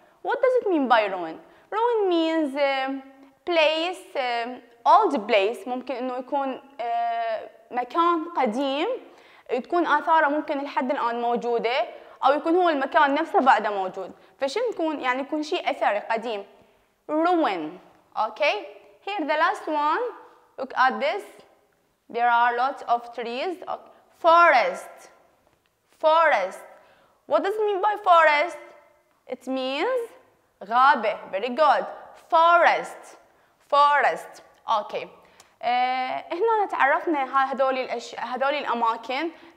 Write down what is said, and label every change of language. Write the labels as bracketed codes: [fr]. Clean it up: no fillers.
[en] What does it mean by ruin? Ruin means place, old place. [ar] ممكن إنه يكون مكان قديم. تكون آثاره ممكن لحد الآن موجودة أو يكون هو المكان نفسه بعده موجود. فشن يكون يعني يكون شيء أثري قديم. [en] Ruin. Okay. Here the last one. Look at this. There are lots of trees. Okay. Forest. Forest. What does it mean by forest? It means [ar] غابة. [en] Very good. Forest. Forest. Okay. [ar] هنا تعرفنا هذول الأماكن.